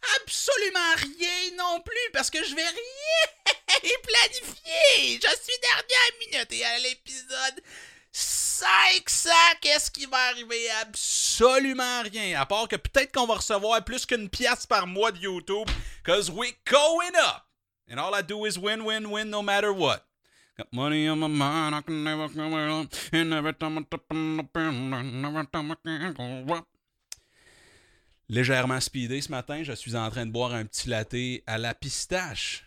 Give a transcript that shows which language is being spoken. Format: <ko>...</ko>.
<fr>Absolument rien non plus parce que je vais rien planifier. Je suis dernière minute et à l'épisode 500, qu'est-ce qui va arriver? Absolument rien. À part que peut-être qu'on va recevoir plus qu'une pièce par mois de YouTube.</fr> <en>Cause we going up. And all I do is win, win, win, no matter what. Got money on my mind, I can never come up. And every time I tap on the pen, every time I can't go up.</en> <fr>Légèrement speedé ce matin, je suis en train de boire un petit latte à la pistache.</fr>